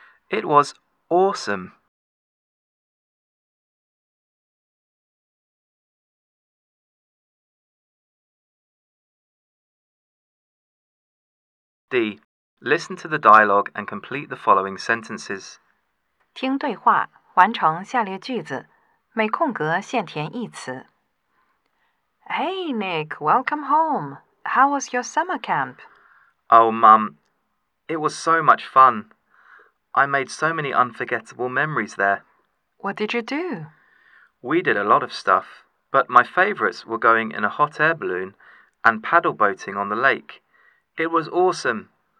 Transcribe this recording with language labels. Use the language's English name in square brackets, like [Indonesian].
[English] It was awesome! D. Listen to the dialogue and complete the following sentences. [Chinese] 听对话，完成下列句子，每空格限填一词。 [English] Hey, Nick, welcome home. How was your summer camp? Oh, Mum, it was so much fun. I made so many unforgettable memories there. What did you do? We did a lot of stuff, but my favorites were going in a hot air balloon and paddle boating on the lake. It was awesome.